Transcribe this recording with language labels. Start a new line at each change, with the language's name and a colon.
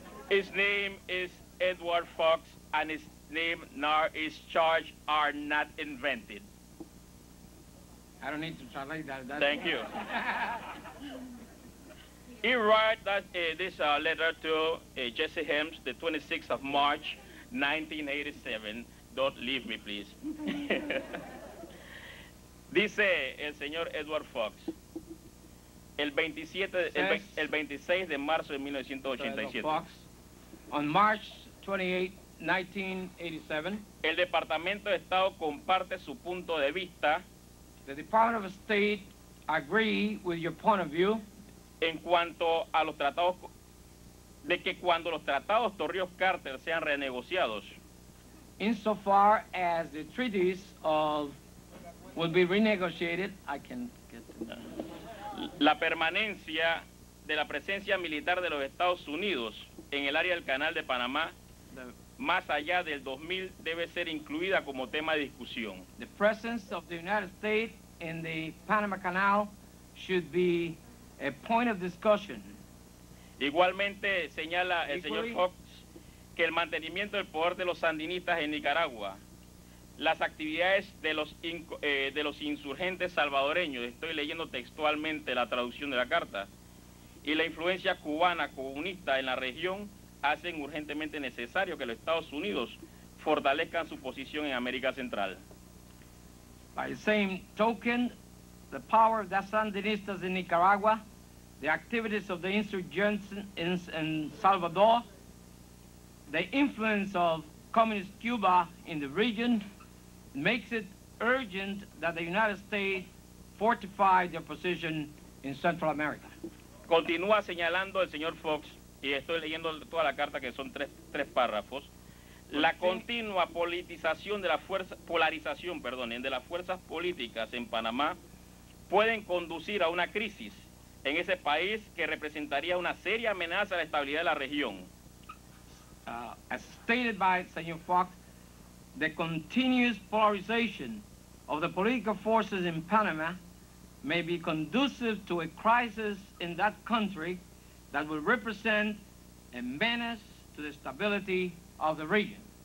English: His name is Edward Fox, and his name nor his charge are not invented. I don't need to translate that. Thank you. He wrote that this letter to Jesse Helms, the 26th of March, 1987. Don't leave me, please.
Spanish: Dice el señor Edward Fox, el 26 de marzo de 1987.
English: On March 28, 1987.
Spanish: El Departamento de Estado comparte su punto de vista.
English: The Department of State agree with your point of view.
Spanish: En cuanto a los tratados, de que cuando los tratados Torrijos-Carter sean renegociados.
English: Insofar as the treaties of will be renegotiated, I can get to that.
Spanish: La permanencia de la presencia militar de los Estados Unidos en el área del Canal de Panamá, más allá del 2000, debe ser incluida como tema de discusión.
English: The presence of the United States in the Panama Canal should be a point of discussion.
Spanish: Igualmente señala el señor Fox que el mantenimiento del poder de los sandinistas en Nicaragua, las actividades de los insurgentes salvadoreños, estoy leyendo textualmente la traducción de la carta, y la influencia cubana comunista en la región hacen urgentemente necesario que los Estados Unidos fortalezcan su posición en América Central.
English: By the same token, the power of the Sandinistas in Nicaragua, the activities of the insurgents in Salvador, the influence of communist Cuba in the region makes it urgent that the United States fortify their position in Central America.
Spanish: Continúa señalando el señor Fox, y estoy leyendo toda la carta que son tres párrafos, la continua polarización de las fuerzas políticas en Panamá pueden conducir a una crisis en ese país que representaría una seria amenaza a la estabilidad de la región.
English: As stated by Senor Fox, the continuous polarization of the political forces in Panama may be conducive to a crisis in that country that will represent a menace to the stability of the region.